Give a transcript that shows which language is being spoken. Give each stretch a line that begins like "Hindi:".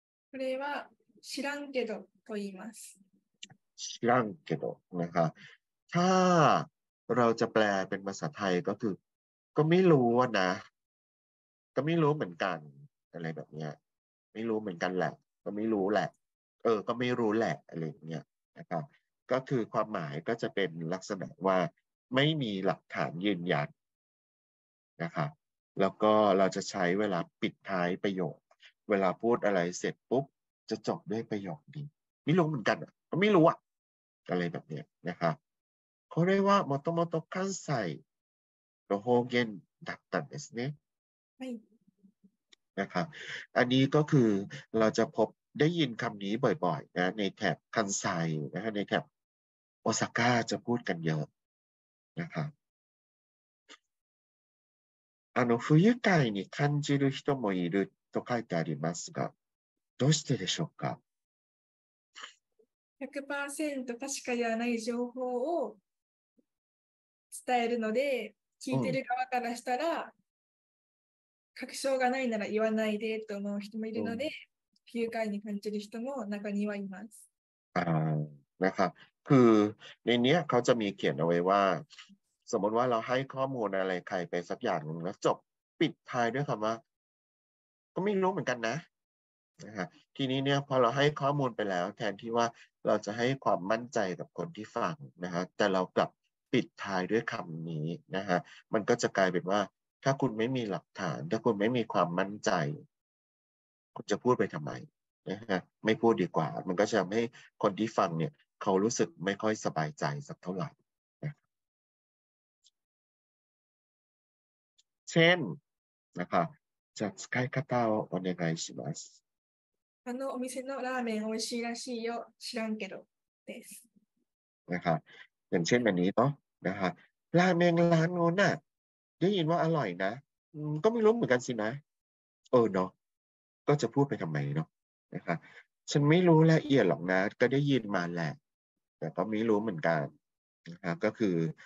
Japanese: これは知らんけどと言います
Thai: 知らんけどนะฮะถ้าเราจะแปลเป็นภาษาไทยก็คือก็ไม่รู้ว่านะก็ไม่รู้เหมือนกันอะไรแบบเนี้ยไม่รู้เหมือนกันแหละก็ไม่รู้แหละเออก็ไม่รู้แหละอะไรเงี้ยนะครับก็คือความหมายก็จะเป็นลักษณะว่าไม่มีหลักฐานยืนยัน นะครับแล้วก็เราจะใช้เวลาปิดท้ายประโยคเวลาพูดอะไรเสร็จปุ๊บจะจบด้วยประโยคนี้ไม่รู้เหมือนกันก็ไม่รู้อ่ะอะไรแบบเนี้ยนะครับเขาเรียกว่ามอตมอตคันไซโรโฮเกนดักตัน
Japanese: ですね
Thai: นะครับอันนี้ก็คือเราจะพบได้ยินคำนี้บ่อยๆนะในแถบคันไซนะฮะในแถบโอซาก้าจะพูดกันเยอะนะครับ
Japanese: あの不愉快に感じる人もいると書いてありますがどうしてでしょうか 100% 確かではない情報を伝えるので聞いてる側からしたら、うん確証がないなら言わないでと思う人もいるので、不愉快に感じる人も中にはいます。
Thai: นะครับคือในนี้เขาจะมีเขียนเอาไว้ว่าสมมติว่าเราให้ข้อมูลอะไรใครไปสักอย่างแล้วจบปิดท้ายด้วยคำว่าก็ไม่รู้เหมือนกันนะนะฮะทีนี้เนี่ยพอเราให้ข้อมูลไปแล้วแทนที่ว่าเราจะให้ความมั่นใจกับคนที่ฟังนะฮะแต่เรากลับปิดท้ายด้วยคำนี้นะฮะมันก็จะกลายเป็นว่าถ้าคุณไม่มีหลักฐานถ้าคุณไม่มีความมั่นใจ คุณจะพูดไปทำไมนะฮะไม่พูดดีกว่ามันก็จะทำให้คนที่ฟังเนี่ยเขารู้สึกไม่ค่อยสบายใจสักเท่าไหร่นะเช่นนะคะจะ
Japanese: 使い方をお願いしますあのお店のラーメン美味しいらしいよ知らんけどです
Thai: นะคะอย่างเช่นแบบนี้เนาะนะคะราเมงร้านโน้นน่ะได้ยินว่าอร่อยนะก็ไม่รู้เหมือนกันสินะเออเนาะก็จะพูดไปทำไมเนาะนะคะฉันไม่รู้ละเอียดหรอกนะก็ได้ยินมาแหละแต่ก็ไม่รู้เหมือนกันนะครับก็คือ